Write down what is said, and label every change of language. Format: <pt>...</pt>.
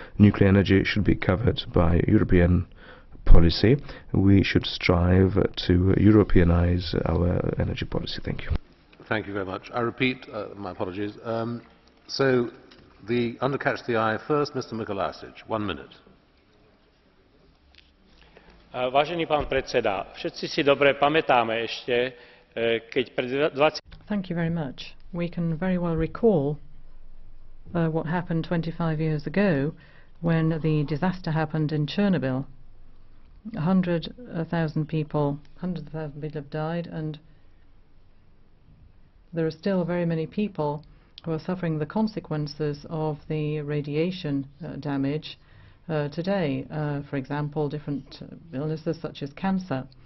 <en>Nuclear energy should be covered by European policy. We should strive to Europeanize our energy policy. Thank you. Thank you very much. I repeat my apologies. So, the under catch the eye first, Mr. Mikolášik. 1 minute.</en> <sk>Vážený pán predseda, všetci si dobre pamätáme ešte, keď pred 20...</sk> <en>Thank you very much. We can very well recall what happened 25 years ago when the disaster happened in Chernobyl. 100,000 people, hundreds of thousands of people have died, and there are still very many people who are suffering the consequences of the radiation damage today, for example, different illnesses such as cancer.</en>